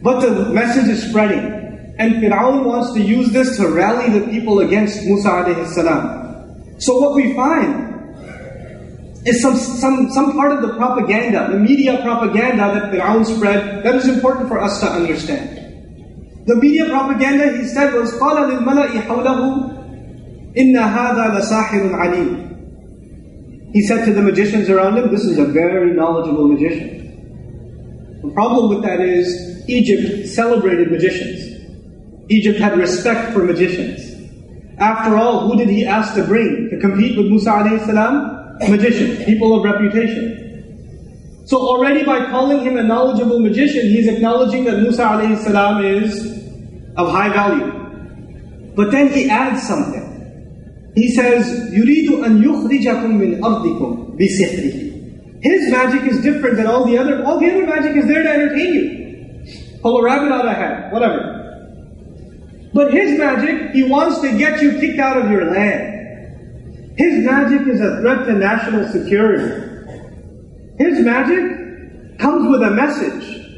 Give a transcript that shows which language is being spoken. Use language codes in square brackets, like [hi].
[en] But the message is spreading. And Fir'aun wants to use this to rally the people against Musa alayhi salam. So what we find is some part of the propaganda, the media propaganda that Fir'aun spread, that is important for us to understand. The media propaganda, he said, was [ar] قَالَ لِلْمَلَئِ حَوْلَهُ إِنَّ هَذَا لَسَاحِرٌ عَلِيمٌ. [en] He said to the magicians around him, this is a very knowledgeable magician. The problem with that is, Egypt celebrated magicians. Egypt had respect for magicians. After all, who did he ask to bring to compete with Musa alayhi salam? Magicians, people of reputation. So already by calling him a knowledgeable magician, he's acknowledging that Musa alayhi salam is of high value. But then he adds something. He says, [ar] يُرِيدُ أَن يُخْرِجَكُم مِّنْ أَرْضِكُمْ بِسِحْرِهِ. [en] His magic is different than all the other magic is there to entertain you. Pull a rabbit out of a hat, whatever. But his magic, he wants to get you kicked out of your land. His magic is a threat to national security. His magic comes with a message.